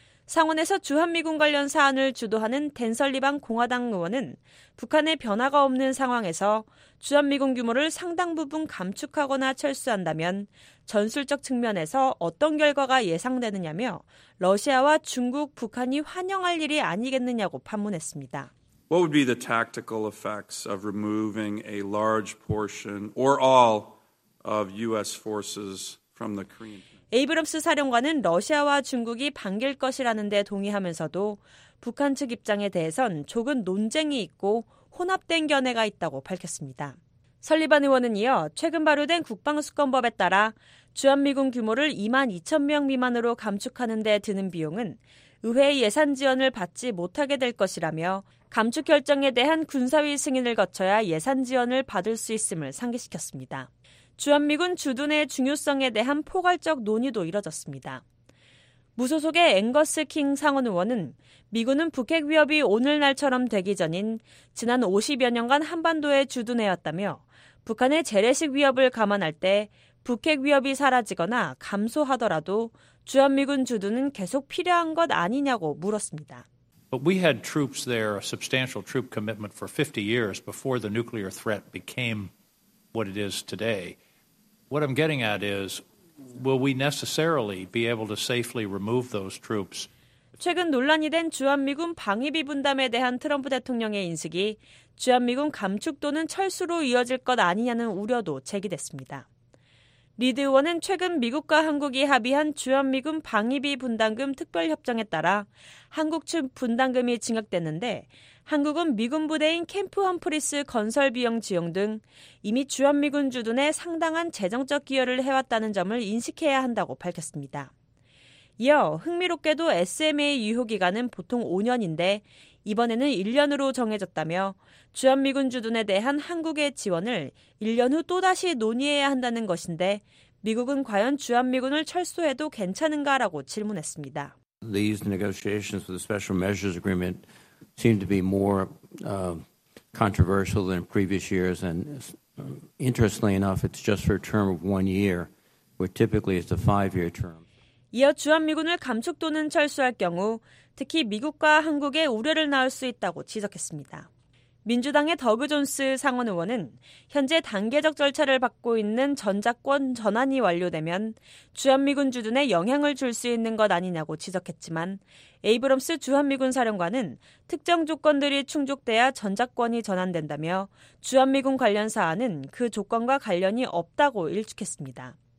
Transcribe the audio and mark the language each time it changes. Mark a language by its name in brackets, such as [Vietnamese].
[Korean] 상원에서 주한미군 관련 사안을 주도하는 댄 설리반 공화당 의원은 북한의 변화가 없는 상황에서 주한미군 규모를 상당 부분 감축하거나 철수한다면 전술적 측면에서 어떤 결과가 예상되느냐며 러시아와 중국, 북한이 환영할 일이 아니겠느냐고 반문했습니다. [English] What would be the tactical effects of removing a large portion or all of U.S. forces from the Korean? [Korean] 에이브럼스 사령관은 러시아와 중국이 반길 것이라는 데 동의하면서도 북한 측 입장에 대해선 조금 논쟁이 있고 혼합된 견해가 있다고 밝혔습니다. 설리반 의원은 이어 최근 발효된 국방수권법에 따라 주한미군 규모를 2만 2천 명 미만으로 감축하는 데 드는 비용은 의회의 예산 지원을 받지 못하게 될 것이라며 감축 결정에 대한 군사위 승인을 거쳐야 예산 지원을 받을 수 있음을 상기시켰습니다. 주한미군 주둔의 중요성에 대한 포괄적 논의도 이뤄졌습니다. 무소속의 앵거스 킹 상원 의원은 미군은 북핵 위협이 오늘날처럼 되기 전인 지난 50여 년간 한반도에 주둔해왔다며 북한의 재래식 위협을 감안할 때 북핵 위협이 사라지거나 감소하더라도 주한미군 주둔은 계속 필요한 것 아니냐고 물었습니다. [English] But we had troops there, a substantial troop commitment for 50 years before the nuclear threat became what it is today. What I'm getting at is, will we necessarily be able to safely remove those troops? [Korean] 최근 논란이 된 주한미군 방위비 분담에 대한 트럼프 대통령의 인식이 주한미군 감축 또는 철수로 이어질 것 아니냐는 우려도 제기됐습니다. 리드 의원은 최근 미국과 한국이 합의한 주한미군 방위비 분담금 특별협정에 따라 한국 측 분담금이 증액됐는데 한국은 미군 부대인 캠프 험프리스 건설 비용 지용 등 이미 주한미군 주둔에 상당한 재정적 기여를 해왔다는 점을 인식해야 한다고 밝혔습니다. 이어 흥미롭게도 SMA 유효기간은 보통 5년인데 이번에는 1년으로 정해졌다며 주한미군 주둔에 대한 한국의 지원을 1년 후 또다시 논의해야 한다는 것인데 미국은 과연 주한미군을 철수해도 괜찮은가라고 질문했습니다. [English] These negotiations for the special measures agreement seem to be more controversial than previous years. And interestingly enough, it's just for a term of one year, where typically it's a five-year term. [Korean] 이어 주한미군을 감축 또는 철수할 경우 특히 미국과 한국에 우려를 낳을 수 있다고 지적했습니다. 민주당의 더그 존스 상원 의원은 현재 단계적 절차를 받고 있는 전작권 전환이 완료되면 주한미군 주둔에 영향을 줄 수 있는 것 아니냐고 지적했지만 에이브럼스 주한미군 사령관은 특정 조건들이 충족돼야 전작권이 전환된다며 주한미군 관련 사안은 그 조건과 관련이 없다고 일축했습니다.